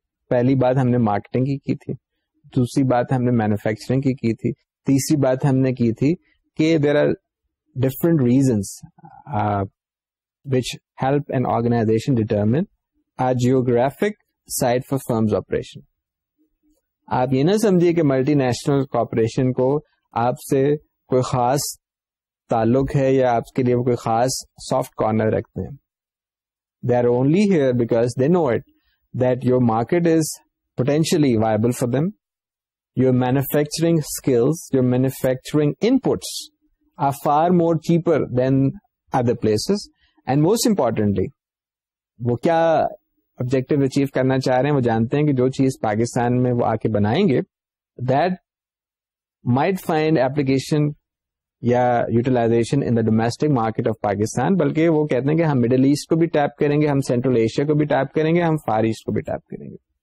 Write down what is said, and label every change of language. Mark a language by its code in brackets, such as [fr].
[ur] پہلی بات ہم نے مارکیٹنگ کی تھی, دوسری بات ہم نے مینوفیکچرنگ کی تھی, تیسری بات ہم نے کی تھی کہ [en] There are different reasons which help an organisation determine a geographic site for firms operation. [ur] آپ یہ نہ سمجھیے کہ ملٹی نیشنل کارپوریشن کو آپ سے کوئی خاص تعلق ہے یا آپ کے لیے کوئی خاص سافٹ کارنر رکھتے ہیں. [en] They are only here because they know it that your market is potentially viable for them. Your manufacturing skills, your manufacturing inputs are far more cheaper than other places. And most importantly, [ur] وہ کیا objective achieve کرنا چاہ رہے ہیں, وہ جانتے ہیں کہ جو چیز پاکستان میں وہ آ کے بنائیں گے [en] that might find application [ur] یا utilization [en] in the domestic market of Pakistan. [ur] بلکہ وہ کہتے ہیں کہ ہم Middle East کو بھی ٹیپ کریں گے, ہم Central Asia کو بھی ٹیپ کریں گے, ہم Far East کو بھی ٹیپ کریں گے.